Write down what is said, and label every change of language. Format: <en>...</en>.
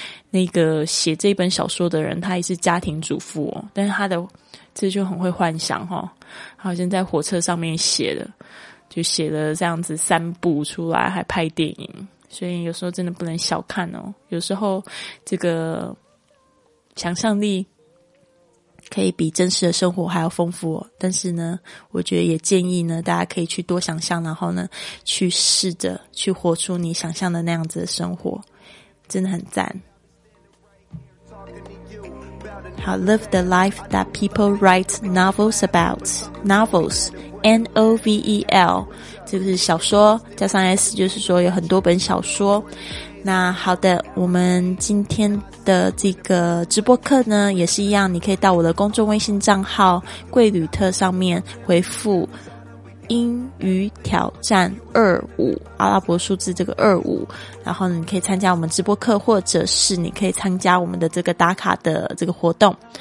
<zh>那个写这本小说的人，他也是家庭主妇哦，但是他的这就很会幻想哦，好像在火车上面写的，就写了这样子3部出来，还拍电影，所以有时候真的不能小看哦，有时候这个想象力可以比真实的生活还要丰富哦，但是呢，我觉得也建议呢，大家可以去多想象，然后呢，去试着去活出你想象的那样子的生活，真的很赞。</zh> <en>好， live the life that people write novels about. Novels, N-O-V-E-L.</en> <zh>这个是小说，加上 S 就是说有很多本小说。那好的，我们今天的这个直播课呢也是一样，你可以到我的公众微信账号贵旅特上面回复英语挑战25，阿拉伯数字这个25，然后你可以参加我们直播课，或者是你可以参加我们的这个打卡的这个活动。</zh>